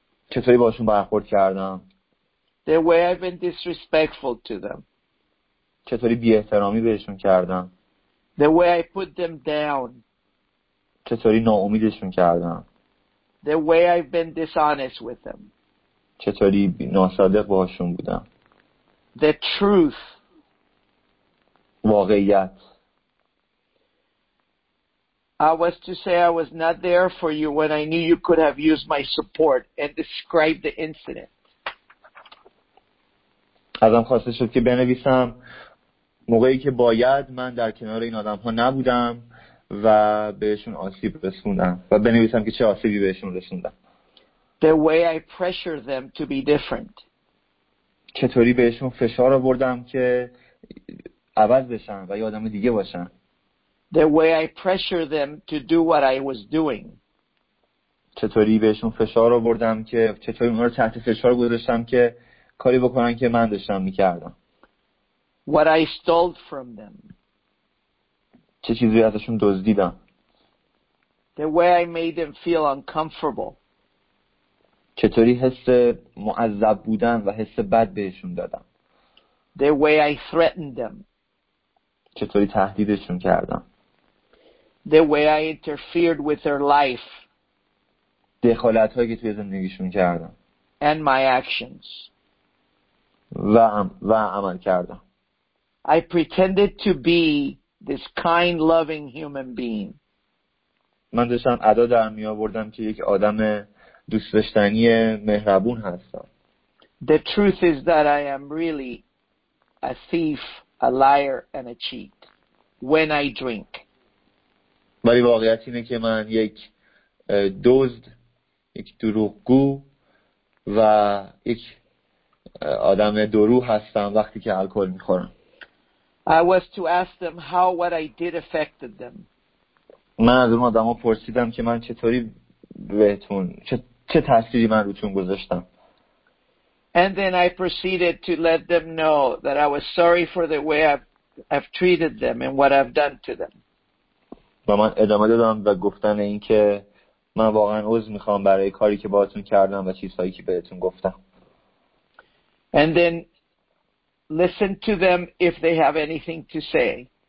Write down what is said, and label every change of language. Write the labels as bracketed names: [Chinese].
[Persian] چطوری باشون برخورد کردم. [English] The way I've been disrespectful to them. [Persian] چطوری بی‌احترامی بهشون کردم. [English] The way I put them down. [Persian] چطوری ناامیدشون کردم. [English] The way I've been dishonest with them. [Persian] چطوری ناصادق باهاشون بودم. [English] The truth. [Persian] واقعیت. [English] I was to say I was not there for you when I knew you could have used my support and describe the incident. [Persian] ازم خواسته شد که بنویسم موقعی که باید من در کنار این آدم‌ها نبودم و بهشون آسیب رسوندم و بنویسم که چه آسیبی بهشون رسوندم. [English] The way I pressure them to be different. [Persian] چطوری بهشون فشار آوردم که عوض بشن و یه آدم دیگه باشن. [English] The way I pressure them to do what I was doing. [Persian] چطوری بهشون فشار آوردم که چطوری اونا رو تحت فشار گذاشتم که کاری بکنن که من داشتم می‌کردم. [English] What I stole from them. [Persian] چه چیزی ازشون دزدیدم. [English] The way I made them feel uncomfortable. [Persian] چطوری حس معذب بودن و حس بد بهشون دادم. [English] The way I threatened them. [Persian] چطوری تهدیدشون کردم. [English] The way I interfered with their life. [Persian] دخالت‌هایی که توی زندگیشون کردم. [English] And my actions. [Persian] و عمل کردم. [English] I pretended to be this kind, loving human being. [Persian] من داشتم ادا در می آوردم که یک آدم دوست داشتنی مهربون هستم. [English] The truth is that I am really a thief, a liar, and a cheat when I drink. [Persian] ولی واقعیت اینه که من یک دزد، یک دروغگو و یک آدم درو هستم وقتی که الکل می خورم. [English] I was to ask them how what I did affected them. [Persian] من از اون آدم ها پرسیدم که من چطوری بهتون چه تأثیری من روتون گذاشتم. [English] And then I proceeded to let them know that I was sorry for the way I've treated them and what I've done to them. [Persian] و من ادامه دادم و گفتن این که من واقعا عذر میخوام برای کاری که باهاتون کردم و چیزهایی که بهتون گفتم. [English] And then listen to them if they have anything to say.